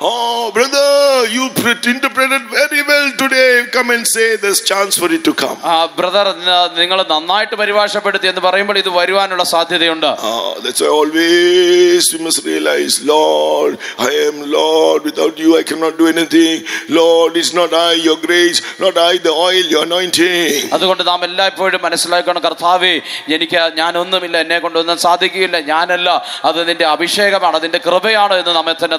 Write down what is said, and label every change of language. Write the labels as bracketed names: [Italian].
[English] Oh brother, you interpreted very well today, come and say there's chance for it to come. [Malayalam] Brother, നിങ്ങൾ നന്നായിട്ട് പരിഭാഷപ്പെടുത്തി എന്ന് പറയുമ്പോൾ ഇത് വരുവാനുള്ള സാധ്യതയുണ്ട്. [English] That's why always we must realize, Lord, I am Lord, without you I cannot do anything. Lord, it's not I, your grace, not I, the oil, your anointing. [Malayalam] അതുകൊണ്ട് നാം എല്ലായ്പ്പോഴും മനസ്സിലാക്കണം, കർത്താവേ എനിക്ക് ഞാൻ ഒന്നുമില്ല, എന്നെ കൊണ്ടൊന്നും സാധിക്കില്ല, ഞാനല്ല, അത് നിന്റെ അഭിഷേകമാണ്, അതിന്റെ കൃപയാണ് എന്ന് നമ്മെ തന്നെ